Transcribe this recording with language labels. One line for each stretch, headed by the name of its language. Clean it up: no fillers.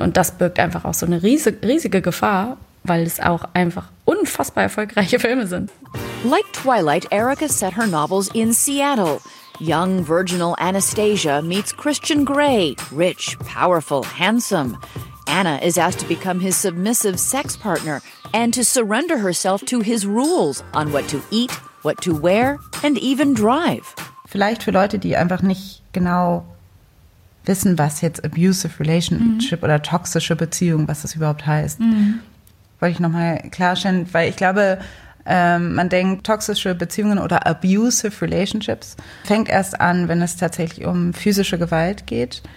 German: Und das birgt einfach auch so eine riesige Gefahr, weil es auch einfach unfassbar erfolgreiche Filme sind.
English: Like Twilight, Erica set her novels in Seattle. Young virginal Anastasia meets Christian Grey, rich, powerful, handsome. Anna is asked to become his submissive sex partner and to surrender herself to his rules on what to eat, what to wear and even drive.
German: Vielleicht für Leute, die einfach nicht genau wissen, was jetzt
English: abusive relationship
German: oder toxische Beziehung, was das überhaupt heißt, wollte ich nochmal klarstellen, weil ich glaube, man denkt, toxische Beziehungen oder
English: abusive relationships
German: fängt erst an, wenn es tatsächlich um physische Gewalt geht.